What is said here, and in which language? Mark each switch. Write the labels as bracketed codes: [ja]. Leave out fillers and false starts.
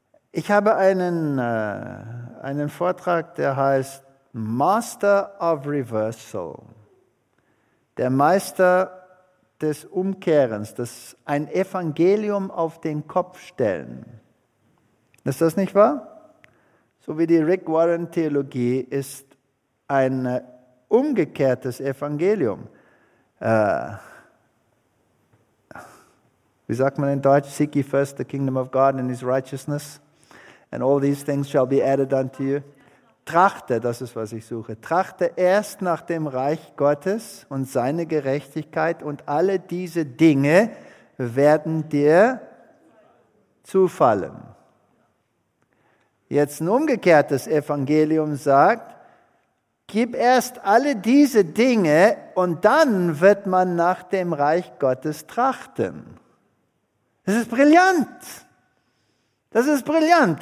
[de] Ich habe einen Vortrag, der heißt Master of Reversal, der Meister des Umkehrens, das ein Evangelium auf den Kopf stellen. Ist das nicht wahr? So wie die Rick Warren Theologie ist ein umgekehrtes Evangelium. Wie sagt man in Deutsch? [en] Seek ye first the kingdom of God and his righteousness, and all these things shall be added unto you. [de] Trachte, das ist, was ich suche. Trachte erst nach dem Reich Gottes und seine Gerechtigkeit, und alle diese Dinge werden dir zufallen. Jetzt ein umgekehrtes Evangelium sagt, gib erst alle diese Dinge und dann wird man nach dem Reich Gottes trachten. Das ist brillant. Das ist brillant.